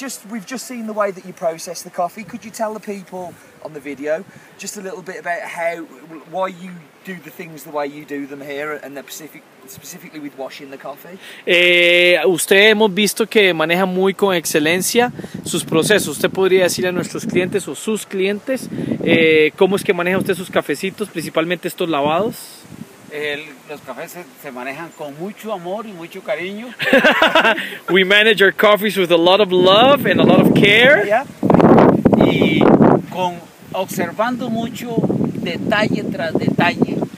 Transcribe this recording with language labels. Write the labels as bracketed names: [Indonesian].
[English] we've just seen the way that you process the coffee. Could you tell the people on the video just a little bit about why you do the things the way you do them here and specifically with washing the coffee? [Spanish] Usted hemos visto que maneja muy con excelencia sus procesos. Usted podría decirle a nuestros clientes o sus clientes cómo es que maneja usted sus cafecitos, principalmente estos lavados. Los cafés se manejan con mucho amor y mucho cariño. [English] We manage our coffees with a lot of love and a lot of care. [Spanish] Yeah. Y con observando mucho detalle tras detalle.